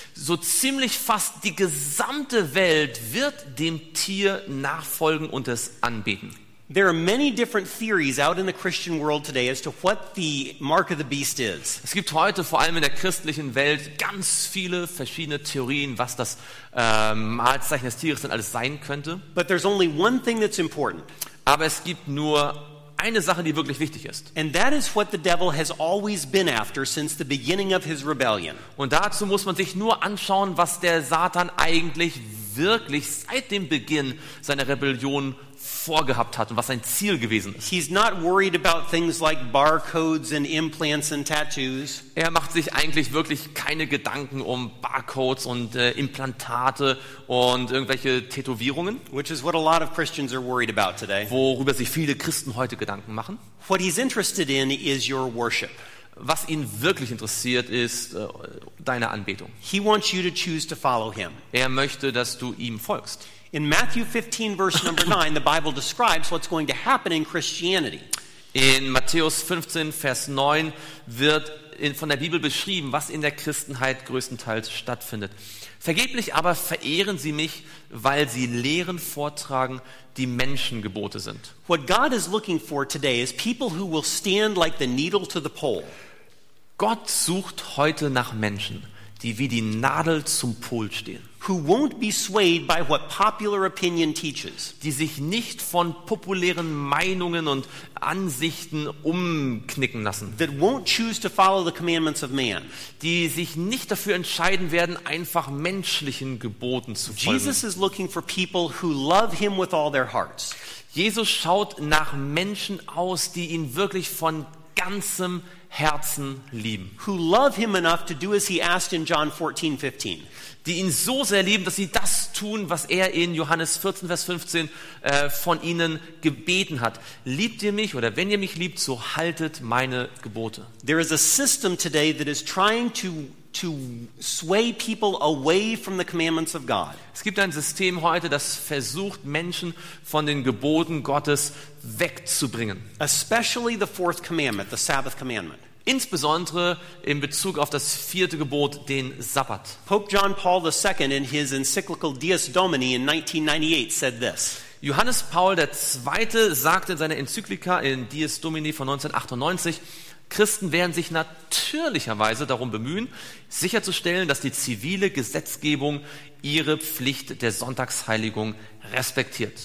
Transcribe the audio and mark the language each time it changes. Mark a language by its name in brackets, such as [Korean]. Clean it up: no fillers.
[German] So ziemlich fast die gesamte Welt wird dem Tier nachfolgen und es anbeten. [English] There are many different theories out in the Christian world today as to what the mark of the beast is. [German] Es gibt heute vor allem in der christlichen Welt ganz viele verschiedene Theorien, was das Markenzeichen des Tieres denn alles sein könnte. [English] But there's only one thing that's important. [German] Aber es gibt nur eine Sache, die wirklich wichtig ist. [English] And that is what the devil has always been after since the beginning of his rebellion. [German] Und dazu muss man sich nur anschauen, was der Satan eigentlich wirklich seit dem Beginn seiner Rebellion vorgehabt hat und was sein Ziel gewesen ist. [English] He's not worried about things like barcodes and implants and tattoos. [German] Er macht sich eigentlich wirklich keine Gedanken um Barcodes und Implantate und irgendwelche Tätowierungen, [English] which is what a lot of Christians are worried about today. [German] Worüber sich viele Christen heute Gedanken machen. [English] What he's interested in is your worship. [German] Was ihn wirklich interessiert, ist deine Anbetung. [English] He wants you to choose to follow him. [German] Er möchte, dass du ihm folgst. [English] In Matthew 15, verse number 9, the Bible describes what's going to happen in Christianity. [German] In Matthäus 15, Vers 9 wird von der Bibel beschrieben, was in der Christenheit größtenteils stattfindet. Vergeblich aber verehren sie mich, weil sie Lehren vortragen, die Menschengebote sind. [English] What God is looking for today is people who will stand like the needle to the pole. [German] Gott sucht heute nach Menschen, die wie die Nadel zum Pol stehen. [English] Who won't be swayed by what popular opinion teaches. [German] Die sich nicht von populären Meinungen und Ansichten umknicken lassen. [English] That won't choose to follow the commandments of man. [German] Die sich nicht dafür entscheiden werden, einfach menschlichen Geboten zu folgen. [English] Jesus is looking for people who love him with all their hearts. [German] Jesus schaut nach Menschen aus, die ihn wirklich von ganzem Herzen lieben. [English] Who love him enough to do as he asked in John 14:15. [German] Die ihn so sehr lieben, dass sie das tun, was er in Johannes 14, Vers 15 von ihnen gebeten hat. Liebt ihr mich, oder wenn ihr mich liebt, so haltet meine Gebote. [English] There is a system today that is trying to sway people away from the commandments of God. [German] Es gibt ein System heute, das versucht, Menschen von den Geboten Gottes wegzubringen. [English] Especially the fourth commandment, the Sabbath commandment. [German] Insbesondere in Bezug auf das vierte Gebot, den Sabbat. [English] Pope John Paul II in his encyclical Dies Domini in 1998 said this. [German] Johannes Paul II. Sagte in seiner Enzyklika in Dies Domini von 1998, Christen werden sich natürlicherweise darum bemühen, sicherzustellen, dass die zivile Gesetzgebung ihre Pflicht der Sonntagsheiligung respektiert.